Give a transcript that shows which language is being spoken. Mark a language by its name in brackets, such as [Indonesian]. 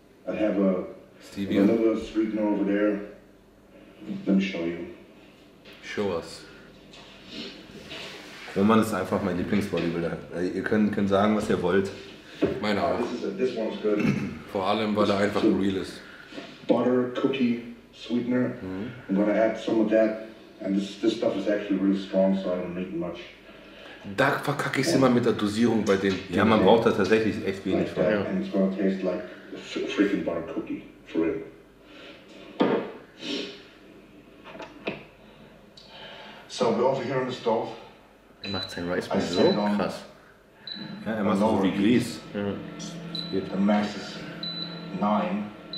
[English] I have a little sweetener over there. Let me show you. Show us. [German] Roman ist einfach mein Lieblingsbodybuilder. Ihr könnt sagen, was ihr wollt. Meine auch. [English] This one's good. [German] Vor allem, weil er einfach so real ist. [English] Butter, cookie, sweetener. Mm-hmm. I'm gonna add some of that. And this stuff is actually really strong, so I don't need much. [German] da verkacke ich es immer mit der Dosierung bei den. Ja, man braucht da tatsächlich echt wenig von. Ja. [English] And it's gonna taste like a freaking butter cookie, for real. So, we're over here on the stove. [German] Er macht sein Rice Bowl so krass. Ja, er macht so wie Grieß. [English] Ja. The max is 9.